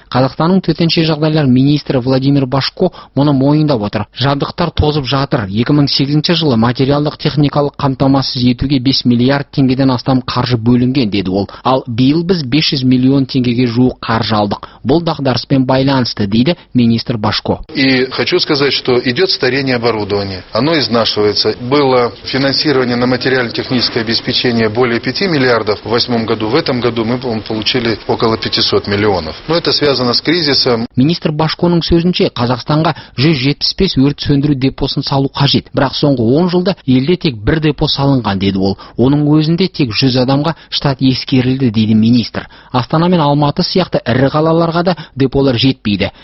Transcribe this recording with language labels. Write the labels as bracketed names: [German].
[Kazakh] Қазақстанның төтенше жағдайлар министрі Владимир Башко мұны мойындап отыр. Жабдықтар тозып жатыр. 2008 жылы материалдық техникалық қамтамасыз етуге 5 миллиард теңгеден астам қаржы бөлінген, деді ол. Ал биыл біз 500 миллион теңгеге жуық қаржы алдық. Бұл дағдарыспен байланысты, дейді министр Башко. [Russian] И хочу сказать, что идет старение оборудования. Оно изнашивается. Было финансирование на материально-техническое обеспечение более 5 миллиардов в 2008 году. В этом году мы получили около 500 миллионов. Но это связано с кризисом. [Kazakh] Министр Башконың сөзінше, Қазақстанға 175 өрт сөндіру депосын салу қажет. Бірақ соңғы 10 жылда елде тек бір депо салынған, деді ол. Оның өзінде тек 100 адамға штат ескерілді, дейді министр. Астана мен Алматы сияқты ірі қалаларға да деполар жетпейді.